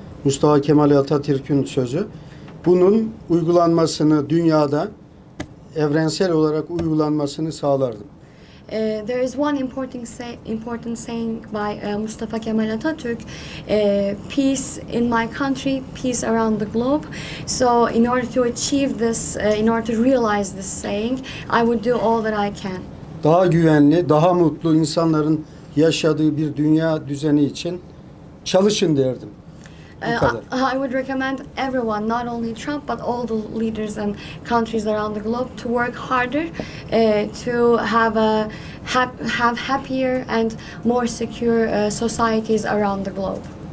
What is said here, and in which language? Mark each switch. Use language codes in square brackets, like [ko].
[tr] Mustafa Kemal Atatürk'ün sözü. Bunun uygulanmasını dünyada evrensel olarak uygulanmasını sağlardım. [en] There is one important saying by Mustafa Kemal Atatürk. Peace in my country, peace around the globe. So in order to achieve this, in order to realize this saying, I would do all that I can. [tr] Daha güvenli, daha mutlu insanların yaşadığı bir dünya düzeni için çalışın derdim. [en] I would recommend everyone, not only Trump, but all the leaders and countries around the globe, to work harder, to have happier and more secure societies around the globe.